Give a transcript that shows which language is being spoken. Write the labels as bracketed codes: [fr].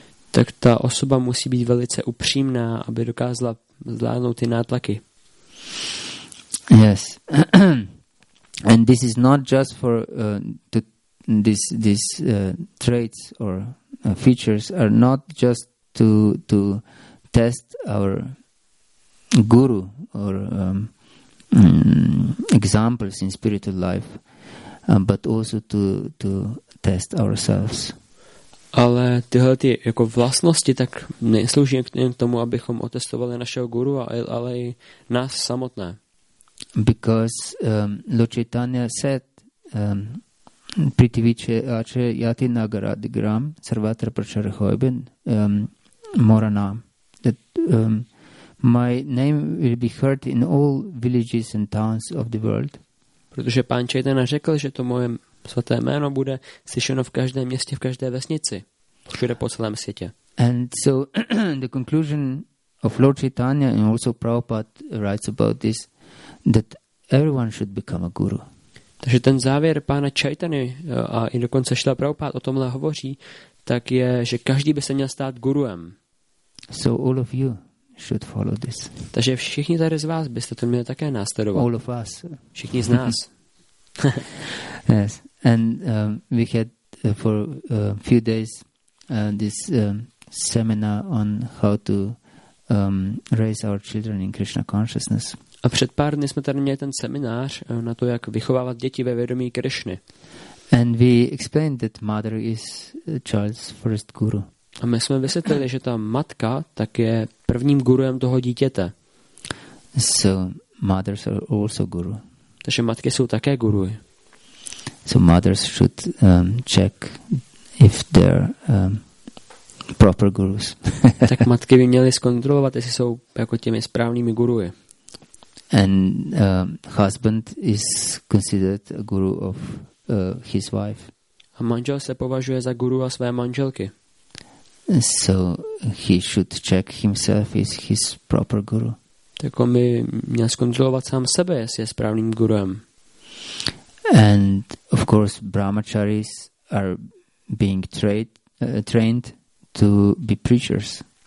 [cs] Tak ta osoba musí být velice upřímná, aby dokázala zvládnout ty nátlaky. [en] Yes. And this is not just for these traits or features are not just to test our guru or examples in spiritual life, but also to test ourselves. [cs] Ale tyhle ty jako vlastnosti tak neslouží k tomu, abychom otestovali našeho guru, ale i nás samotné. [en] Because Lord Chaitanya said [sa] Prithivi Acharya Yati Nagarad Gram Sarvatra Prachara Hoiben Morana, [en] that my name will be heard in all villages and towns of the world. [cs] Protože pán Chaitanya řekl, že to moje svaté jméno bude slyšeno v každém městě, v každé vesnici, všude po celém světě. [en] And so the conclusion of Lord Chaitanya and also Prabhupada writes about this, that everyone should become a guru. [cs] Takže ten závěr pána Chaitany a i dokonce Šrila Prabhupada o tomhle hovoří, tak je, že každý by se měl stát guruem. [en] So all of you should follow this. [cs] Takže všichni tady z vás byste to měli také následovat. [en] All of us. [cs] Všichni z nás. [en] Yes. And we had for a few days this seminar on how to raise our children in Krishna consciousness. [cs] A před pár dny jsme tady měli ten seminář na to, jak vychovávat děti ve vědomí Krišny. [en] And we explained that mother is child's first guru. [cs] A my jsme vysvětlili, že ta matka tak je prvním guruem toho dítěte. [en] So mothers are also guru. [cs] Takže matky jsou také guruji. [en] So mothers should check if they're proper gurus. [cs] Tak matky by měly zkontrolovat, jestli jsou jako těmi správnými guruji. [en] And husband is considered a guru of his wife. [cs] A manžel se považuje za guru a své manželky. [en] So he should check himself is his proper guru. [cs] Tak on by měl zkontrolovat sám sebe, jestli je správným guruem. [en] And of course brahmacharis are being trained to be preachers.